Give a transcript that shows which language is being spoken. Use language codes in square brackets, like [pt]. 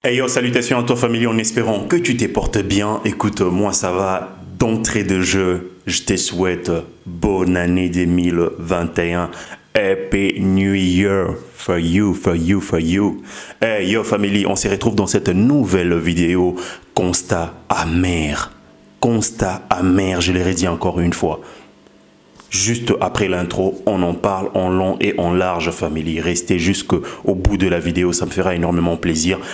[fr] Hey, salutations à toi, famille, en espérant que tu te portes bien. Écoute, moi, ça va d'entrée de jeu. Je te souhaite bonne année 2021. [en] Happy New Year for you, for you, for you. [fr] Hey, yo, famille, on se retrouve dans cette nouvelle vidéo. Constat amer. Constat amer, je le redis encore une fois. Juste après l'intro, on en parle en long et en large, famille. Restez jusqu'au bout de la vidéo, ça me fera énormément plaisir.